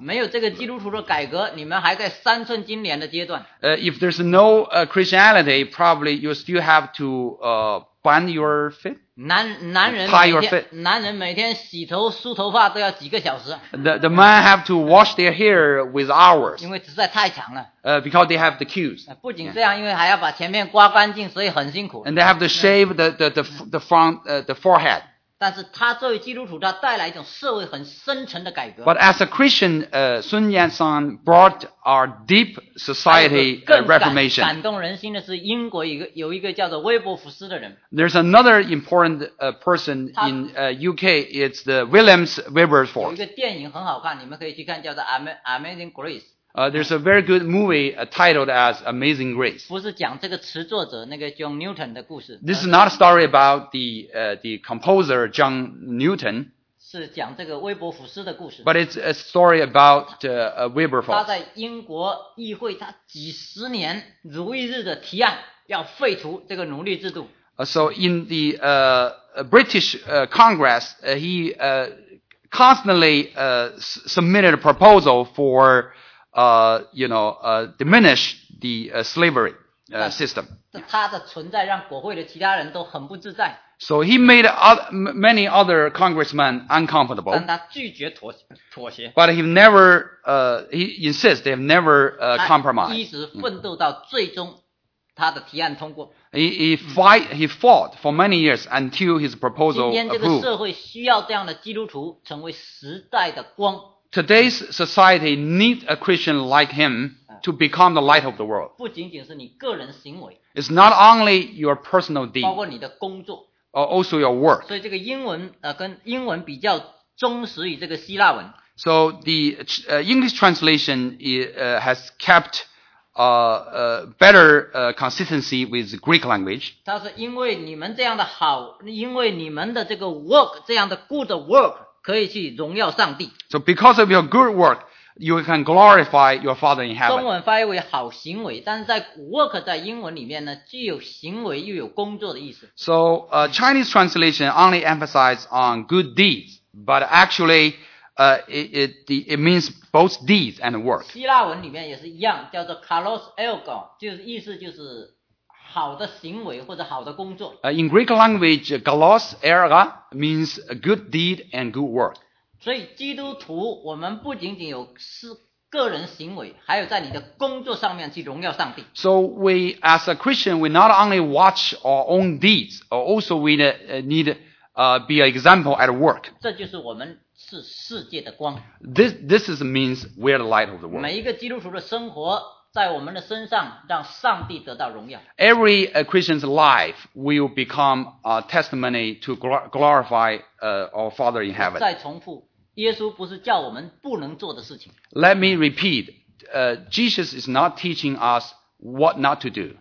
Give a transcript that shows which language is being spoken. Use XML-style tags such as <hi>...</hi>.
<zh>没有这个基督徒的改革，你们还在三寸金莲的阶段。</zh> <en>If there's no Christianity, probably you still have to bind your feet.</en> <zh>男人</zh> <en>your feet.</en> <zh>男人每天洗头梳头发都要几个小时。</zh> <en>The man have to wash their hair with hours.</en> <zh>因为实在太长了。</zh> <en>Because they have the queues.</en> <zh>不仅这样，因为还要把前面刮干净，所以很辛苦。</zh> <en>And they have to shave the front the forehead.</en> <zh>但是他作为基督徒，他带来一种社会很深层的改革。</zh> <en>But as a Christian, Sun Yat-sen brought our deep society reformation.</en> <zh>感动人心的是英国有一个叫做威伯福斯的人。</zh> <en>There's another important person in UK. It's the Williams Wilberforce.</en> <zh>有一个电影很好看，你们可以去看，叫做 Amazing Grace.</zh> <en>There's a very good movie titled as Amazing Grace.</en> <zh>不是讲这个词作者那个 John Newton 的故事。</zh> <en>This is not a story about the composer John Newton.</en> <zh>是讲这个威伯福斯的故事。</zh> <en>But it's a story about Wilberforce.</en> <zh>他在英国议会，他几十年如一日的提案要废除这个奴隶制度。</zh> <en>So in the British Congress, he constantly submitted a proposal for diminish the slavery. system.</en> <zh>他的存在让国会的其他人都很不自在。</zh> <en>So he made many other congressmen uncomfortable.</en> <zh>但他拒绝妥协。</zh> <en>But he never, he insists they have never compromised.</en> <zh>他一直奋斗到最终他的提案通过。</zh> <en>He fought for many years until his proposal approved.</en> <zh>今天这个社会需要这样的基督徒成为时代的光。</zh> <en>Today's society needs a Christian like him to become the light of the world.</en> <zh>不仅仅是你个人行为。</zh> <en>It's not only your personal deed.</en> <zh>包括你的工作。</zh> <en>Also your work.</en> <zh>所以这个英文跟英文比较忠实于这个希腊文。</zh> <en>So the English translation has kept better consistency with the Greek language.</en> <zh>它是因为你们这样的好，因为你们的这个 work 这样的</zh> <en>good work</en> <zh>可以去荣耀上帝。</zh> <en>So because of your good work, you can glorify your Father in heaven.</en> <zh>中文翻译为好行为，但是在 work 在英文里面呢，既有行为又有工作的意思。</zh> <en>So Chinese translation only emphasizes on good deeds, but actually. It means both deeds and work.</en> <zh>希腊文里面也是一样，叫做 Kalos Ergo， 就是意思就是好的行为或者好的工作。</zh> <en>In Greek language, Kalos Ergo means a good deed and good work.</en> <zh>所以基督徒，我们不仅仅有是个人行为，还有在你的工作上面去荣耀上帝。</zh> <en>So we, as a Christian, we not only watch our own deeds, also we need be an example at work.</en> <zh>这就是我们。是世界的光。</zh> <en>This means we are the light of the world.</en> <zh>每一个基督徒的生活在我们的身上让上帝得到荣耀。</zh> <en>Every Christian's life will become a testimony to glorify our Father in heaven.</en> <zh>再重复，耶稣不是叫我们不能做的事情。</zh> <en>Let me repeat, Jesus is not teaching us what not to do.</en>